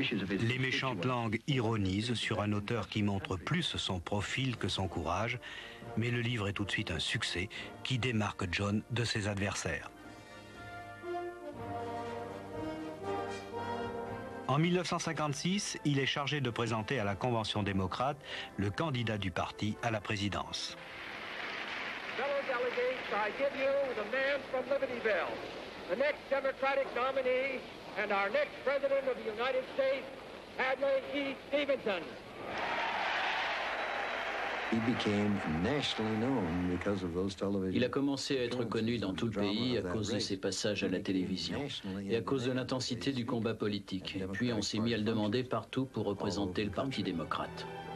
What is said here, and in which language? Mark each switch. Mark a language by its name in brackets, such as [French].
[French] Les méchantes langues ironisent sur un auteur qui montre plus son profil que son courage, mais le livre est tout de suite un succès qui démarque John de ses adversaires. En 1956, il est chargé de présenter à la Convention démocrate le candidat du parti à la présidence. [English] Fellow delegates, I give you the man from Libertyville, the next Democratic nominee and our next president of the United States, Hadley E. Stevenson. [French] Il a commencé à être connu dans tout le pays à cause de ses passages à la télévision et à cause de l'intensité du combat politique. Et puis on s'est mis à le demander partout pour représenter le Parti démocrate.